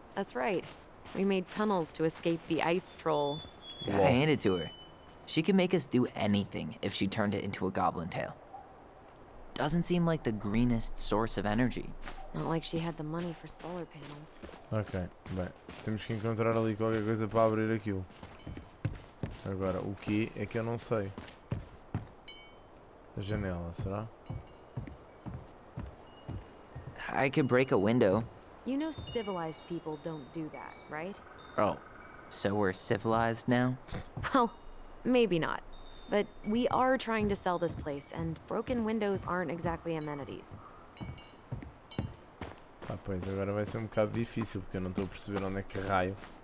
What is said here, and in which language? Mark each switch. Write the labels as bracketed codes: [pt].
[en] That's right. We made tunnels to escape the ice troll. Gotta hand it to her. She can make us do anything if she turned it into a goblin tail. Doesn't seem like the greenest source of energy. Not like she had the money for solar panels. [pt] Okay, bem. Temos que encontrar ali qualquer coisa para abrir aquilo. Agora, o que é que eu não sei? A janela, será? [en] I could break a window. You know civilized people don't do that, right? Oh, so we're civilized now? Well, maybe not. But we are trying to sell this place, and broken windows aren't exactly amenities. [pt] Ah, pois, agora vai ser um bocado difícil, porque eu não estou a perceber onde é que raio.